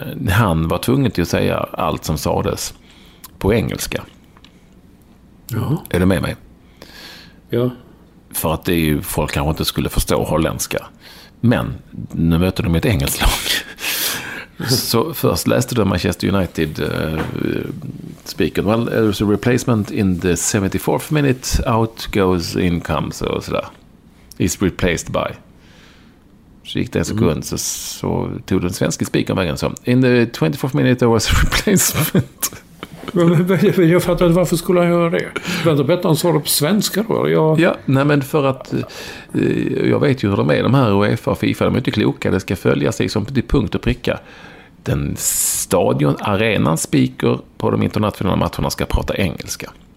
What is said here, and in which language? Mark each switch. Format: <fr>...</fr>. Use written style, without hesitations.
<sv>Han var tvungen till att säga allt som sades på engelska. Ja. Är du med mig? Ja. För att det är ju, folk kanske inte skulle förstå holländska. Men nu möter de ett engelskt lag. Så först läste du Manchester United speaker.</sv> <en>Well, there's a replacement in the 74th minute. Out goes in comes.</en> <sv>Och sådär.</sv> <en>Is replaced by.</en> <sv>Så gick det en sekund. Så tog den svenska speakern vägen.</sv> <en>Så, in the 24th minute there was a replacement.</en> <sv>Jag fattar inte, varför skulle han göra det? Vänta, bättre han svarade på svenska då? Nej, men för att jag vet ju hur de är, de här UEFA och FIFA, de är inte kloka, det ska följa sig som till punkt och pricka. Den stadion, arenan, speaker på de internationella matcherna ska prata engelska.</sv>